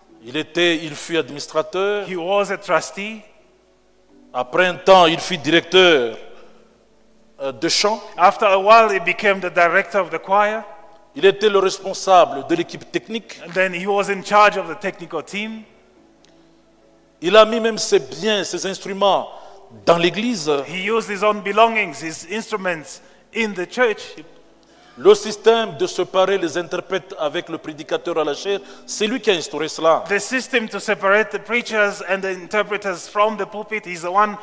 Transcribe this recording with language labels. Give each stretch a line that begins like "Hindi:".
French: Il fut administrateur.
English: He was a trustee.
French: Après un temps, il fut directeur. De chant.
English: After a while, he became the director of the choir.
French: Il était le responsable de l'équipe technique.
English: And then he was in charge of the technical team.
French: Il a mis même ses biens, ses instruments dans l'église.
English: He used his own belongings, his instruments in the church.
French: Le système de séparer les interprètes avec le prédicateur à la chaire, c'est lui qui a instauré cela.
English: The system to separate the preachers and the interpreters from the pulpit is the one